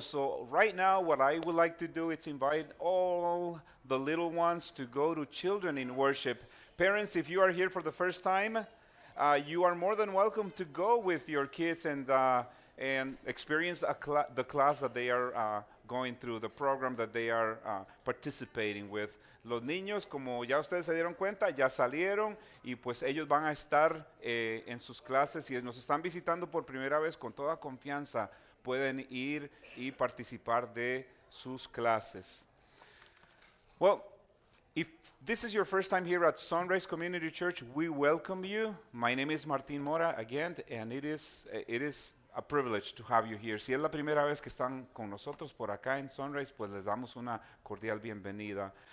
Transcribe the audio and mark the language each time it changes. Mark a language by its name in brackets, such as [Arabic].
[English] So right now, what I would like to do is invite all the little ones to go to children in worship. Parents, if you are here for the first time, you are more than welcome to go with your kids and experience the class that they are going through, the program that they are participating with. [Spanish] Los niños, como ya ustedes se dieron cuenta, ya salieron y pues ellos van a estar en sus clases. Si nos están visitando por primera vez, con toda confianza pueden ir y participar de sus clases. [English] Well, if this is your first time here at Sunrise Community Church, we welcome you. My name is Martin Mora again, and it is a privilege to have you here. [Spanish] Si es la primera vez que están con nosotros por acá en Sunrise, pues les damos una cordial bienvenida.